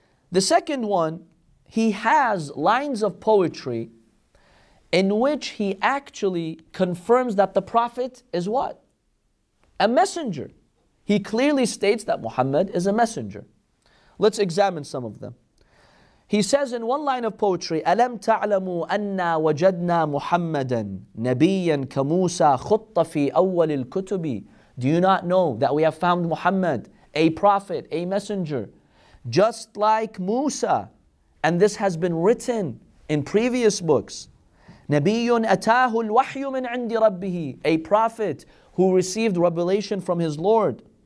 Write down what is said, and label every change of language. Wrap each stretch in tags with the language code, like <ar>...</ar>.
<en>The second one, he has lines of poetry in which he actually confirms that the Prophet is what? A messenger. He clearly states that Muhammad is a messenger. Let's examine some of them. He says in one line of poetry,</en> <ar>أَلَمْ تَعْلَمُوا أَنَّا وَجَدْنَا مُحَمَّدًا نَبِيًّا كَمُوسَى خُطَّ فِي أَوَّلِ الْكُتُبِ.</ar> <en>Do you not know that we have found Muhammad, a prophet, a messenger, just like Musa, and this has been written in previous books.</en> <ar>نَبِيٌّ أَتَاهُ الْوَحْيُ مِنْ عِنْدِ رَبِّهِ.</ar> <en>A prophet who received revelation from his Lord.</en>